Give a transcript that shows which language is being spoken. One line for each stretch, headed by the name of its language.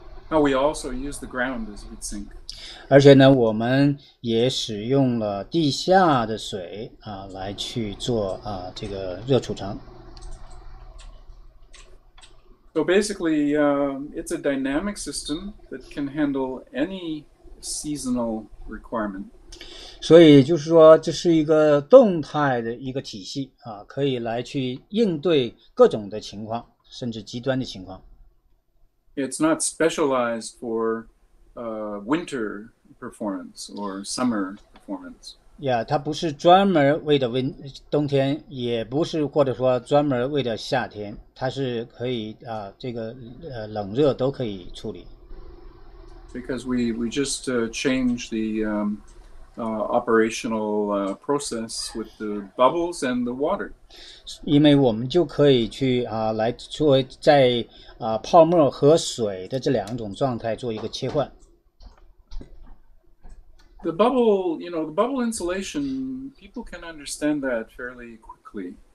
English: Now we also use the ground as a heat sink.
Chinese: 而且呢，我们也使用了地下的水来去做这个热储藏。
English: So basically, it's a dynamic system that can handle any seasonal requirement.
Chinese: 所以就是说，这是一个动态的一个体系，可以来去应对各种的情况，甚至极端的情况。
English: it's not specialized for winter performance or summer performance.
Chinese: Yeah, 它不是专门为了冬天，也不是或者说专门为了夏天，它是可以这个冷热都可以处理。
English: Because we just change the operational process with the bubbles and the water.
Chinese: 因为我们就可以去来作为在泡沫和水的这两种状态做一个切换。
English: The bubble, you know, the bubble insulation, people can understand that fairly quickly.